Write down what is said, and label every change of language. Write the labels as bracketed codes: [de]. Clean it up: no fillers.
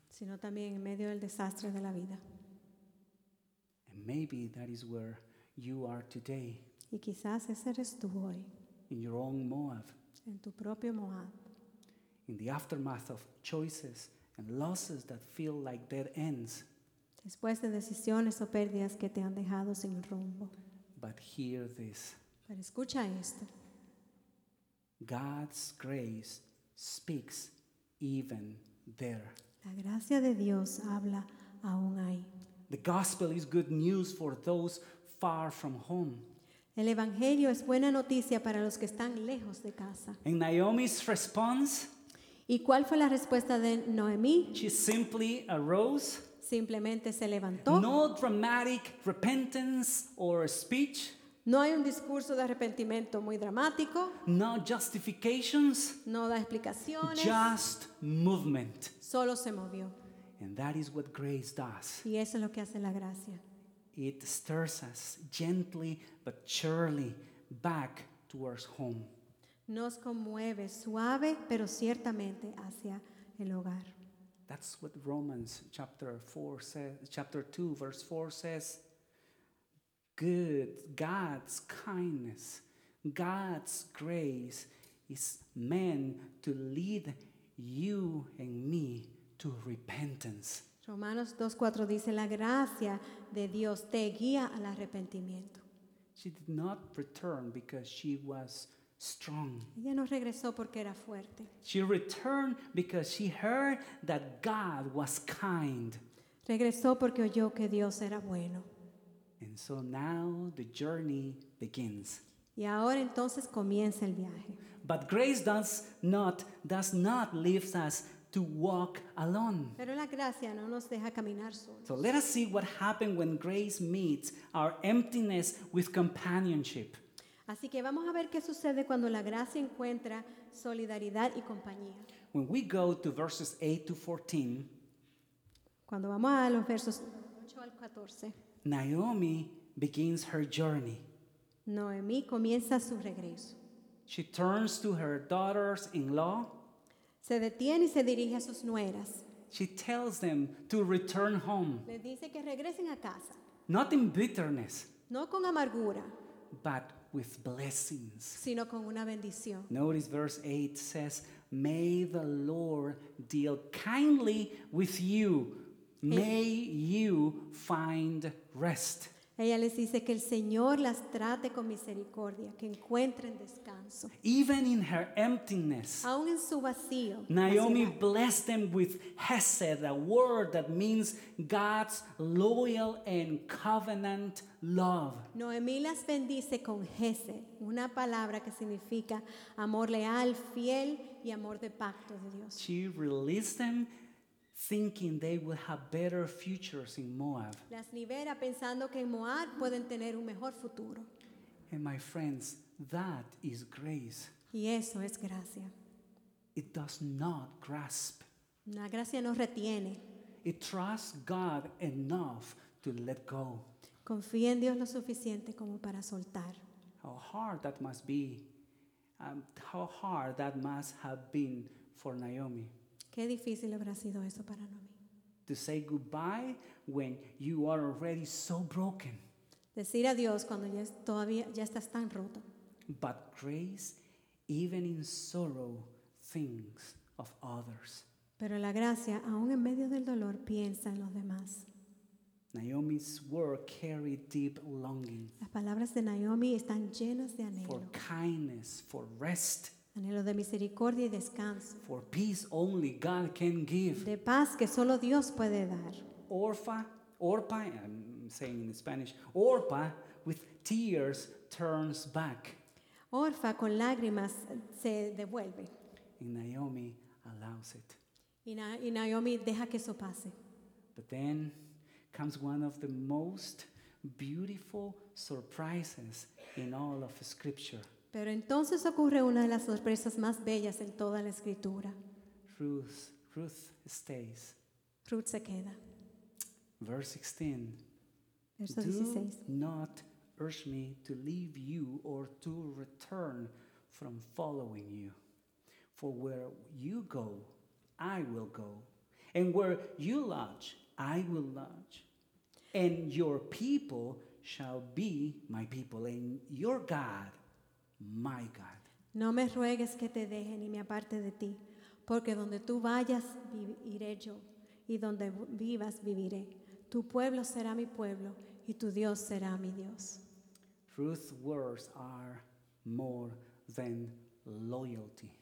[es] Sino también en medio del desastre de la vida. [en] And maybe that is where you are today. [es] Y quizás ese eres tú hoy. [en] In your own Moab. [es] En tu propio Moab. [en] In the aftermath of choices and losses that feel like dead ends. [es] Después de decisiones o pérdidas que te han dejado sin rumbo. [en] But hear this. [es] Pero escucha esto. [en] God's grace speaks even there. [es] La gracia de Dios habla aún ahí. [en] The gospel is good news for those far from home. [es] El evangelio es buena noticia para los que están lejos de casa. [en] And Naomi's response. [es] ¿Y cuál fue la respuesta de Noemí? [en] She simply arose. [es] Simplemente se levantó. [en] No dramatic repentance or speech. [es] No hay un discurso de arrepentimiento muy dramático. [en] No justifications. [es] No da explicaciones. [en] Just movement. [es] Solo se movió. [en] And that is what grace does. [es] Y eso es lo que hace la gracia. [en] It stirs us gently but surely back towards home. [es] Nos conmueve suave pero ciertamente hacia el hogar. [en] That's what Romans chapter 2 verse 4 says. God's kindness, God's grace is meant to lead you and me to repentance. [es] Romanos 2:4 dice, la gracia de Dios te guía al arrepentimiento. [en] She did not return because she was strong. [es] Ella no regresó porque era fuerte. [en] She returned because she heard that God was kind. [es] Regresó porque oyó que Dios era bueno. [en] And so now the journey begins. [es] Y ahora entonces comienza el viaje. [en] But grace does not leave us to walk alone. [es] Pero la gracia no nos deja caminar solos. [en] So let us see what happens when grace meets our emptiness with companionship. [es] Así que vamos a ver qué sucede cuando la gracia encuentra solidaridad y compañía. [en] When we go to verses 8 to 14, [es] cuando vamos a los versos 8 al 14, [en] Naomi begins her journey. [es] Noemí comienza su regreso. [en] She turns to her daughters-in-law. [es] Se detiene y se dirige a sus nueras. [en] She tells them to return home. [es] Les dice que regresen a casa. [en] Not in bitterness. [es] No con amargura. [en] But with blessings. [es] Sino con una bendición. [en] Notice verse 8 says, "May the Lord deal kindly with you. May you find rest." [es] Ella les dice que el Señor las trate con misericordia, que encuentren descanso. [en] Even in her emptiness, [es] aún en su vacío, [en] Naomi blessed them with hesed, a word that means God's loyal and covenant love. [es] Noemí las bendice con hesed, una palabra que significa amor leal, fiel y amor de pacto de Dios. [en] She released them thinking they will have better futures in Moab. [es] Las libera pensando que en Moab pueden tener un mejor futuro. [en] And my friends, that is grace. [es] Y eso es gracia. [en] It does not grasp. [es] La gracia no retiene. [en] It trusts God enough to let go. [es] Confía en Dios lo suficiente como para soltar. [en] How hard that must be. How hard that must have been for Naomi. [es] Qué difícil habrá sido eso para Naomi. [en] To say goodbye when you are already so broken. [es] Decir adiós cuando ya todavía ya estás tan roto. [en] But grace, even in sorrow, thinks of others. [es] Pero la gracia, aun en medio del dolor, piensa en los demás. [en] Naomi's words carry deep longing. [es] Las palabras de Naomi están llenas de anhelo. [en] For kindness, for rest. [es] Anhelo de misericordia y descanso. [en] For peace only God can give. [es] De paz que solo Dios puede dar. [en] Orpa, I'm saying in Spanish, Orpa with tears turns back. [es] Orfa con lágrimas se devuelve. [en] And Naomi allows it. [es] Y Naomi deja que eso pase. [en] But then comes one of the most beautiful surprises in all of Scripture. [es] Pero entonces ocurre una de las sorpresas más bellas en toda la Escritura. [en] Ruth stays. [es] Ruth se queda. [en] Verse 16. Do not urge me to leave you or to return from following you. For where you go, I will go. And where you lodge, I will lodge. And your people shall be my people, and your God, my God. [es] No me ruegues que te deje ni me aparte de ti, porque donde tú vayas, iré yo, y donde vivas, viviré. Tu pueblo será mi pueblo, y tu Dios será mi Dios. [en] Ruth's words are more than loyalty.